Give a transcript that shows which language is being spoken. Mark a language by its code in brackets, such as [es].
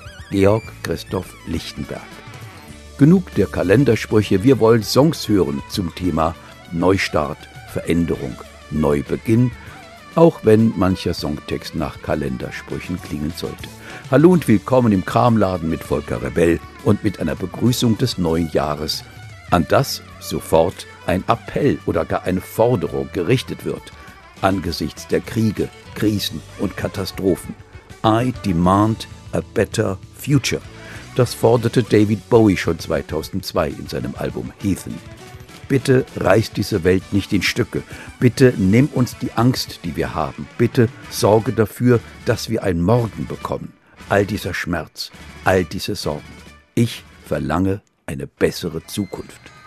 [de] Georg Christoph Lichtenberg. Genug der Kalendersprüche, wir wollen Songs hören zum Thema Neustart, Veränderung, Neubeginn, auch wenn mancher Songtext nach Kalendersprüchen klingen sollte. Hallo und willkommen im Kramladen mit Volker Rebell und mit einer Begrüßung des neuen Jahres. An das sofort ein Appell oder gar eine Forderung gerichtet wird, angesichts der Kriege, Krisen und Katastrophen. [en] I demand a better future. [de] Das forderte David Bowie schon 2002 in seinem Album Heathen. Bitte reiß diese Welt nicht in Stücke. Bitte nimm uns die Angst, die wir haben. Bitte sorge dafür, dass wir ein Morgen bekommen. All dieser Schmerz, all diese Sorgen. Ich verlange eine bessere Zukunft.